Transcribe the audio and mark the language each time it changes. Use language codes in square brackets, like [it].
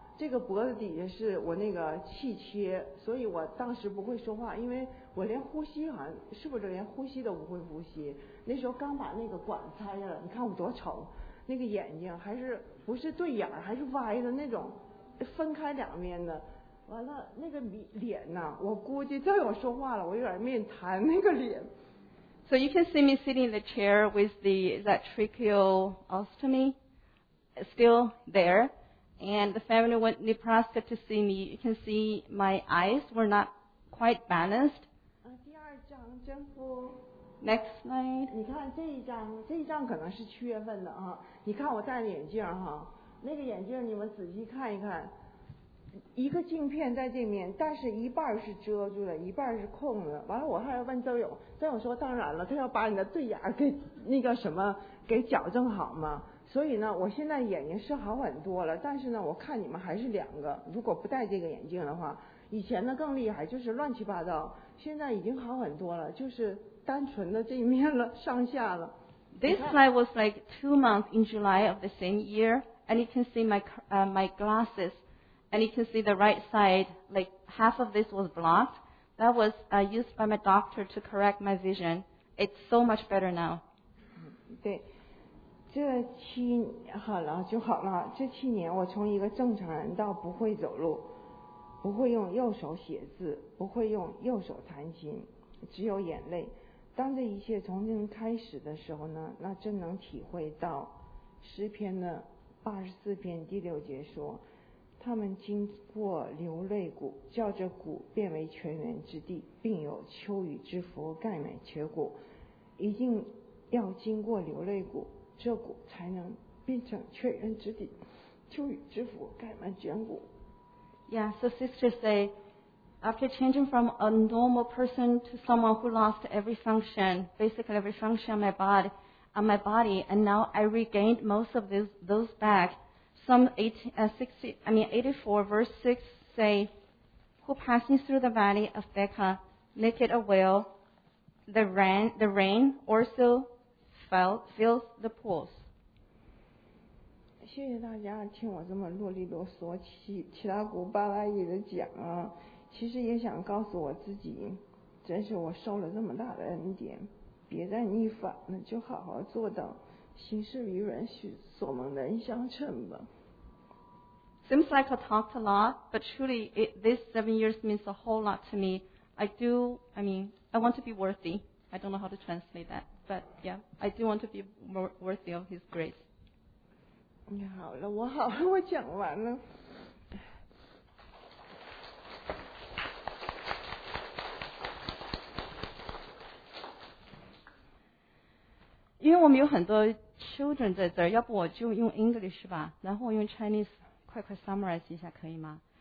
[zh] 这个脖子底下是我那个气切，所以我当时不会说话，因为我连呼吸好像是不是连呼吸都不会呼吸。那时候刚把那个管拆了，你看我多丑，那个眼睛还是不是对眼，还是歪的那种，分开两边的。完了那个脸呢，我估计再有说话了，我有点面瘫那个脸。 [en] So you can see me sitting in the chair with the that tracheostomy still there. And the family went to Nebraska to see me. You can see my eyes were not quite balanced. [zh] 第二张真不。 [en] Next slide. [zh] 你看这一张可能是七月份的啊。你看我戴的眼镜哈，那个眼镜你们仔细看一看，一个镜片在这面，但是一半是遮住的，一半是空的。完了我还要问周勇，周勇说当然了，他要把你的对眼给那个什么给矫正好吗？所以呢我现在眼睛是好很多了，但是呢我看你们还是两个，如果不戴这个眼镜的话，以前呢更厉害，就是乱七八糟，现在已经好很多了，就是单纯的这一面了，上下了。 [en] This slide was like 2 months in July of the same year, and you can see my glasses, and you can see the right side, like half of this was blocked. That was used by my doctor to correct my vision. It's so much better now. [zh] 对。这七好了就好了，这七年我从一个正常人到不会走路，不会用右手写字，不会用右手弹琴，只有眼泪。当这一切从零开始的时候呢，那真能体会到诗篇的84篇第六节说，他们经过流泪谷，叫这谷变为泉源之地，并有秋雨之福盖满全谷。一定要经过流泪谷，这谷才能变成泉源之地，秋雨之福盖满全谷。 [en] Yeah, so sister say, after changing from a normal person to someone who lost every function, basically every function on my body, and now I regained most of those back. Psalm 84, verse 6 say, who passing through the valley of Baca, naked a whale, the rain also fills the pools. [zh] 谢谢大家听我这么啰里啰嗦七大姑八大姨的讲啊，其实也想告诉我自己，真是我受了这么大的恩典，别再逆反了，就好好做到行事与人所蒙的恩相称吧。 [en] Seems like I talked a lot, but truly this 7 years means a whole lot to me. I want to be worthy. I don't know how to translate that, but yeah, I do want to be worthy of His grace. [zh] 你好了，我好了，我讲完了。因为我们有很多 children 在这儿，要不我就用 English 吧，然后我用 Chinese 快 summarize 一下可以吗？